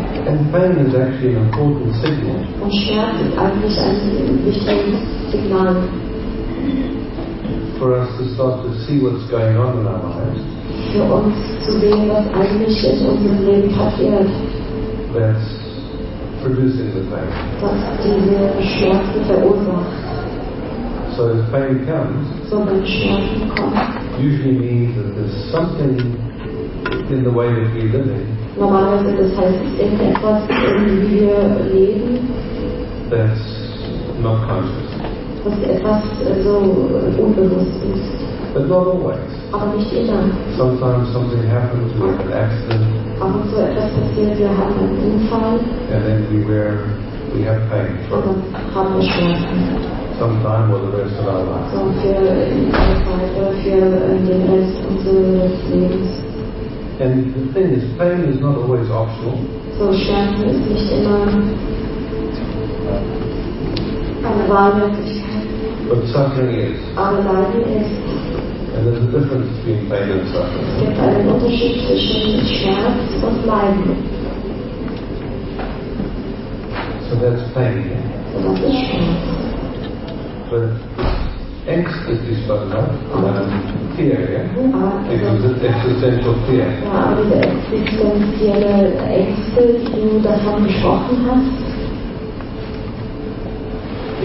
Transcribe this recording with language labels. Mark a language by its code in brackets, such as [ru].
[en] And pain is actually an important signal. [de] Und Schmerz ist eigentlich ein wichtiges Signal. [en] For us to start to see what's going on in our lives. [de] Für uns zu sehen, was eigentlich in unserem Leben passiert. [en] That's producing the pain. [de] Dass diese Schmerzen verursacht. [en] So if pain comes, [de] so wenn Schmerzen kommen, [en] usually means that there's something in the way that we're living. [de] Normalerweise das heißt, es ist etwas, in dem wir leben. [en] That's not conscious. [de] Was etwas so unbewusst ist. [en] But not always. [de] Aber nicht immer. [en] Sometimes something happens, we have an accident. [de] Ab und zu etwas passiert, wir haben einen Unfall. [en] And then we have pain. [de] Und dann haben wir Schmerzen. [en] Sometime or the rest of our lives. [de] So für den Rest unseres Lebens. [en] And the thing is, pain is not always optional. [de] So Schmerzen ist nicht immer eine Wahlmöglichkeit. [en] But suffering is. [de] Aber Leiden ist. [en] And there's a difference between pain and suffering. [de] Es gibt einen Unterschied zwischen Schmerz und Leiden. [en] So that's pain. Yeah? [de] So das ist Schmerz. [en] But angst that you spoke about, fear, yeah? Because it's existential fear. [de] Ja, aber diese existenzielle Ängste, die du davon gesprochen hast,